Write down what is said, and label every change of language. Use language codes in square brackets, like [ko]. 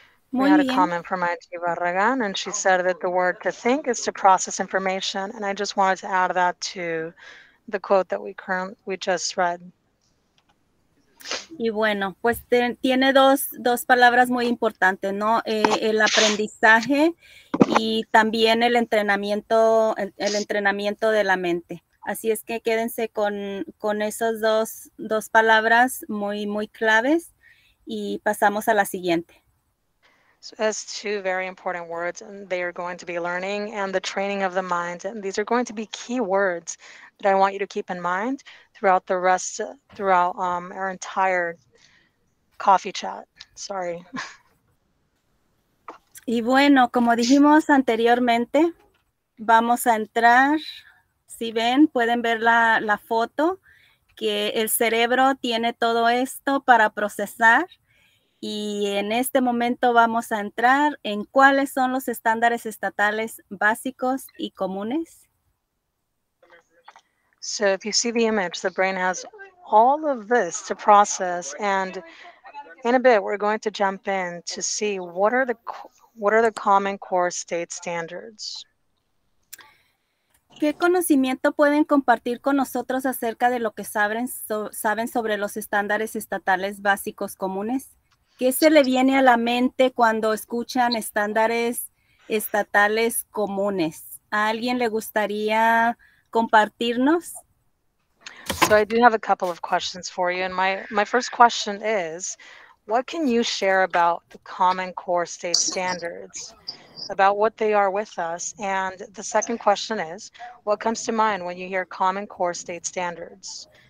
[en] We had a comment from IT Barragan, and she said that the word to think is to process information, and I just wanted to add that to the quote that we just read. [es] Y bueno, pues tiene dos palabras muy importantes, ¿no? El aprendizaje y también el entrenamiento de la mente. Así es que quédense con esas dos palabras muy, muy claves, y pasamos a la siguiente. [en] So as two very important words, and they are going to be learning and the training of the mind. And these are going to be key words that I want you to keep in mind throughout the rest, throughout our entire coffee chat. Sorry. [es] Y bueno, como dijimos anteriormente, vamos a entrar. Si ven, pueden ver la foto, que el cerebro tiene todo esto para procesar. Y en este momento vamos a entrar en cuáles son los estándares estatales básicos y comunes. [en] So if you see the image, the brain has all of this to process, and in a bit we're going to jump in to see what are the common core state standards. [es] ¿Qué conocimiento pueden compartir con nosotros acerca de lo que saben sobre los estándares estatales básicos comunes? ¿Qué se le viene a la mente cuando escuchan estándares estatales comunes? ¿A alguien le gustaría compartirnos? [en] So I do have a couple of questions for you. And my first question is, what can you share about the Common Core State Standards, about what they are with us? And the second question is, what comes to mind when you hear Common Core State Standards?